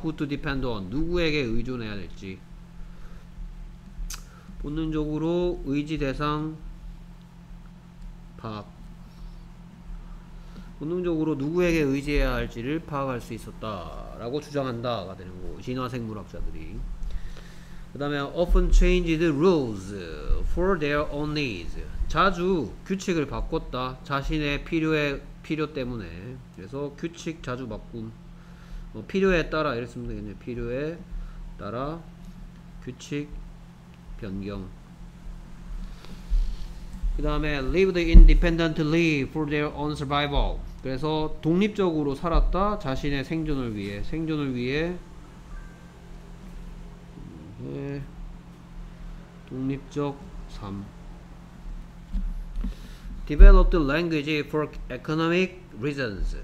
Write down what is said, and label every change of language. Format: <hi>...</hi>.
<en>who to depend on,</en> <ko>누구에게 의존해야 될지. 본능적으로 의지 대상 파악. 본능적으로 누구에게 의지해야 할지를 파악할 수 있었다 라고 주장한다가 되는 거고, 진화생물학자들이. 그 다음에</ko> <en>often changed rules for their own needs.</en> <ko>자주 규칙을 바꿨다. 자신의 필요 때문에. 그래서 규칙 자주 바꿈. 뭐 필요에 따라 이랬으면 되겠네요. 필요에 따라 규칙 변경. 그 다음에</ko> <en>lived independently for their own survival.</en> <ko>그래서 독립적으로 살았다. 자신의 생존을 위해. 생존을 위해 독립적 삶.</ko> <en>developed language for economic reasons.</en>